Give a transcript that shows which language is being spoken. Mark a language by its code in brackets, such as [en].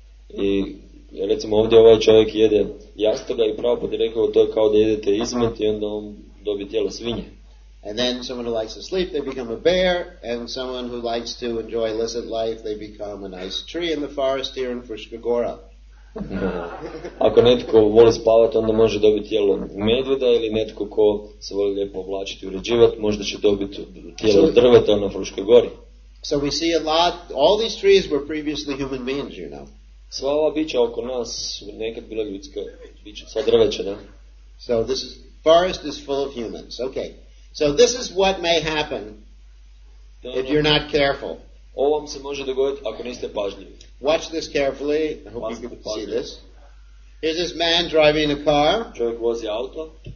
[hr] I recimo ovdje ovaj čovjek jede jastoga i Prabhupada rekao to je kao da jedete izmet i onda on dobije tijelo svinje. [en] And then someone who likes to sleep, they become a bear, and someone who likes to enjoy illicit life, they become a nice tree in the forest here in Frishkagora. [hr] Ako netko voli spavati, onda može dobiti tijelo medveda, ili netko ko se voli lijepo oblačiti i uređivati, možda će dobiti tijelo drveta na Fruškoj gori. [en] So we see a lot, all these trees were previously human beings, you know. [hr] Sva ova bića oko nas nekad bila ljudska bića, sva drveća, da. [en] So this is, forest is full of humans, okay. So this is what may happen if you're not careful. [hr] Ovo vam se može dogoditi ako niste pažljivi. [en] Watch this carefully. I hope you can see this. Here's this man driving a car. [hr] Čovjek vozi auto.